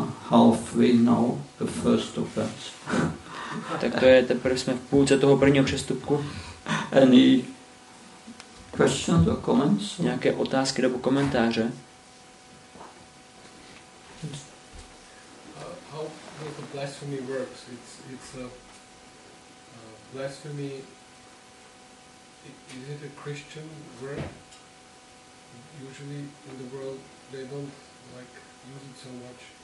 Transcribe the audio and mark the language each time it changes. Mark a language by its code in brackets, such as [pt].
[en] Halfway now, the first of that. [cs] Tak to je, teprve jsme v půlce toho prvního přestupku. [en] Any questions or comments? [cs] Nějaké otázky nebo komentáře? [en] How the blasphemy works? It's a blasphemy. Is it a Christian word? Usually in the world they don't like use it so much.